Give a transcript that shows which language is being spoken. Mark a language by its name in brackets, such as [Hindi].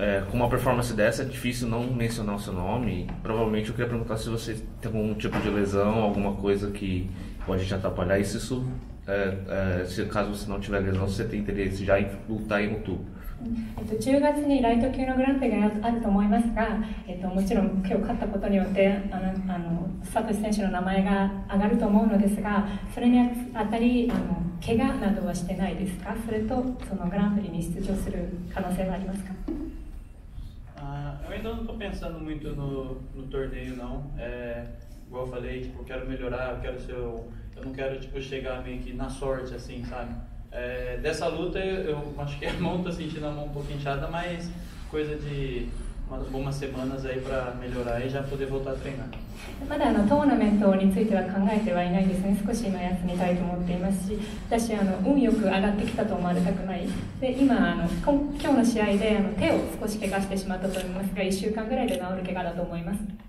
[Portuguese] Com uma performance dessa, é difícil não mencionar o seu nome. Provavelmente eu queria perguntar se você tem algum tipo de lesão, alguma coisa que pode te atrapalhar. E se isso, se, caso você não tiver lesão, você tem interesse já em lutar em outubro? [Japanese] 10月にライト級のグランプリがあると思いますが、もちろん今日勝ったことによって、サトシ選手の名前が上がると思うのですが、それにあたり、怪我などはしてないですか？それと、そのグランプリに出場する可能性はありますか？ [Portuguese] Eu ainda não estou pensando muito no torneio, não. Igual eu falei, tipo, eu quero melhorar, eu não quero tipo, chegar meio que na sorte, assim, sabe? Dessa luta, eu acho que a mão está sentindo a mão um pouco inchada, mas coisa de umas semanas aí para melhorar e já poder voltar a treinar. [Japanese] まだトーナメントについては考えてはいないですね。少し今休みたいと思っていますし、私運よく上がってきたと思われたくない。で、今日の試合で手を少し怪我してしまったと思いますが、1週間ぐらいで治る怪我だと思います。